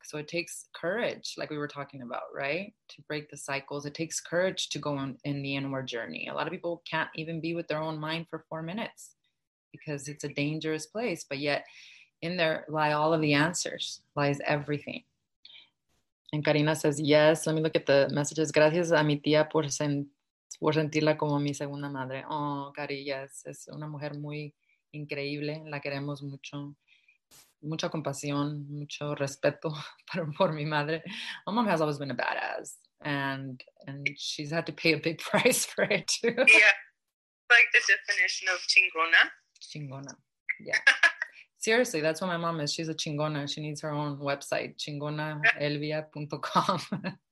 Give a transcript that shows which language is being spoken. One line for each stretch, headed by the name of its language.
English: So it takes courage, like we were talking about, right? To break the cycles. It takes courage to go in the inward journey. A lot of people can't even be with their own mind for 4 minutes because it's a dangerous place, but yet in there lie all of the answers, lies everything. And Karina says, yes. Let me look at the messages.
Spanish: Gracias a mi tía por sentirla como mi segunda madre. Oh, Cari, yes. Es una mujer muy increíble. La queremos mucho. Mucha compasión, mucho respeto por mi madre.
English: My mom has always been a badass. And she's had to pay a big price for it, too. Yeah. Like the definition of chingona. Chingona. Yeah. Seriously, that's what my mom is. She's a chingona. She needs her own website, chingonaelvia.com.